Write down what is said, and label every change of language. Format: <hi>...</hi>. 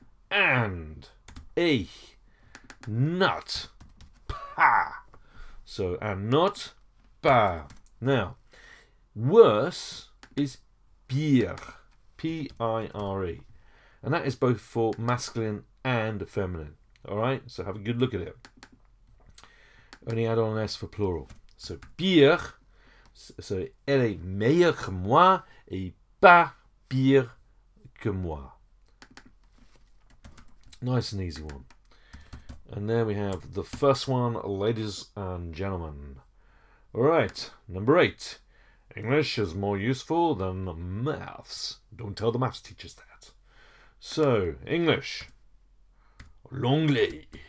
<en>And E. Not. Pa. So, and not. Pa. Now, worse is pire, P-I-R-E, and that is both for masculine and feminine. All right, so have a good look at it. Only add on an S for plural.</en> <fr>So pire, so elle est meilleure que moi et pas pire que moi.</fr> <en>Nice and easy one. And there we have the first one, ladies and gentlemen. All right, number eight. English is more useful than maths. Don't tell the maths teachers that. So, English. L'anglais.</en>